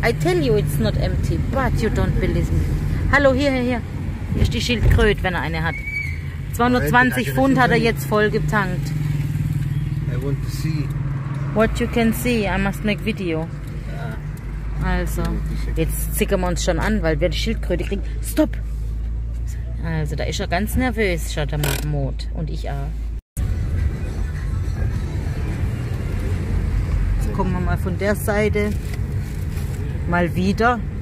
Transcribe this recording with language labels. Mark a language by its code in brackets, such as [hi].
[en] I tell you, it's not empty, but you don't believe me. [de] Hallo, hier. Hier ist die Schildkröte, wenn er eine hat. 220 Pfund hat er jetzt voll getankt. [en] I want to see. What you can see, I must make video. [de] Also, jetzt zicken wir uns schon an, weil wir die Schildkröte kriegen. Stopp! Also, da ist er ganz nervös, schaut er mal Mut. Und ich auch. Kommen wir mal von der Seite. Mal wieder.